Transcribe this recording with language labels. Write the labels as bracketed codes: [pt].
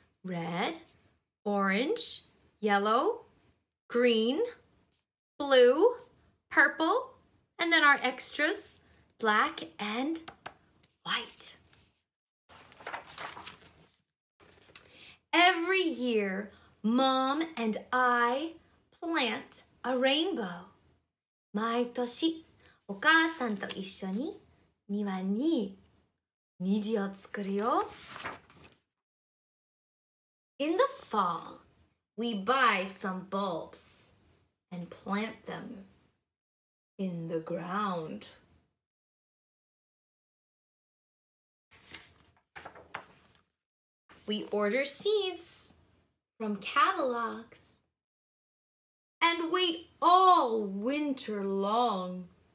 [en] Red, orange, yellow, green, blue, purple, and then our extras, black and white. Every year, Mom and I plant a rainbow. [ja] 毎年、お母さんと一緒に庭に虹を作るよ。 [en] In the fall, we buy some bulbs and plant them in the ground. We order seeds from catalogs and wait all winter long.